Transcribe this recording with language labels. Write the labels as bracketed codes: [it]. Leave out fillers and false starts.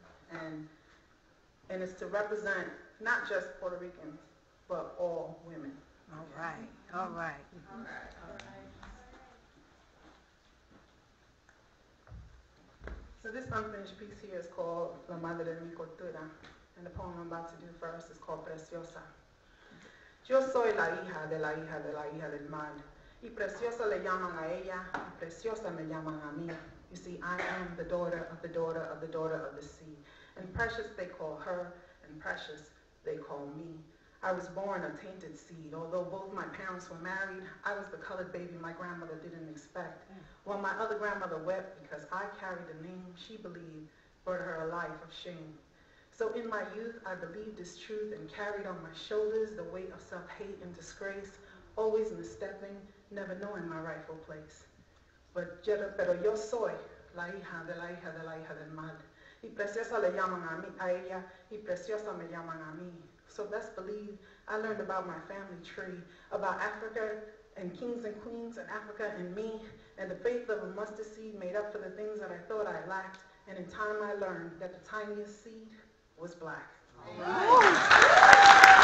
[en] And it's to represent not just Puerto Ricans, but all women. All right. So this unfinished piece here is called La Madre de mi Cultura, and the poem I'm about to do first is called Preciosa. [es] Yo soy la hija de la hija de la hija del mal, y preciosa le llaman a ella, y preciosa me llaman a mí. [en] You see, I am the daughter of the daughter of the daughter of the sea, and precious they call her, and precious they call me. I was born a tainted seed. Although both my parents were married, I was the colored baby my grandmother didn't expect. While my other grandmother wept because I carried a name she believed brought her a life of shame. So in my youth, I believed this truth and carried on my shoulders the weight of self-hate and disgrace, always misstepping, never knowing my rightful place. [es] Pero yo soy la hija de la hija de la hija del mal. Y preciosa le llaman a mí, a ella, y preciosa me llaman a mí. [en] So best believe, I learned about my family tree, about Africa and kings and queens and Africa and me, and the faith of a mustard seed made up for the things that I thought I lacked. And in time I learned that the tiniest seed was black. All right.